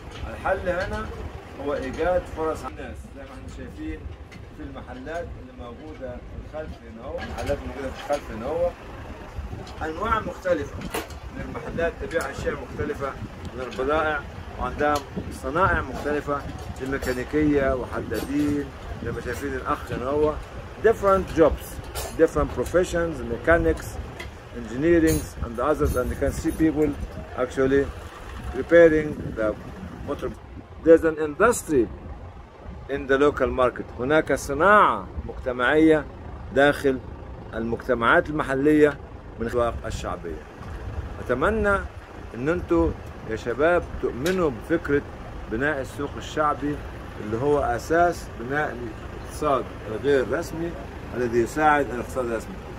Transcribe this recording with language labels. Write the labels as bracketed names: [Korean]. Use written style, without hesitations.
[Arabic] الحل هنا هو ايجاد فرص للناس زي ما احنا شايفين في المحلات اللي موجوده في الخلف هنا، محلات موجوده في الخلف هنا، انواع مختلفه من المحلات تبيع اشياء مختلفه من البضائع، وعندها صنائع مختلفه للميكانيكيه وحدادين زي ما شايفين الاخ هنا. [English] Different jobs, different professions, mechanics, engineering and others, and you can see people actually preparing the motor. There's an industry in the local market. [Arabic] هناك صناعة مجتمعية داخل المجتمعات المحلية من الأسواق الشعبية. أتمنى إن أنتوا يا شباب تؤمنوا بفكرة بناء السوق الشعبي اللي هو أساس بناء الاقتصاد الغير رسمي الذي يساعد الاقتصاد الرسمي.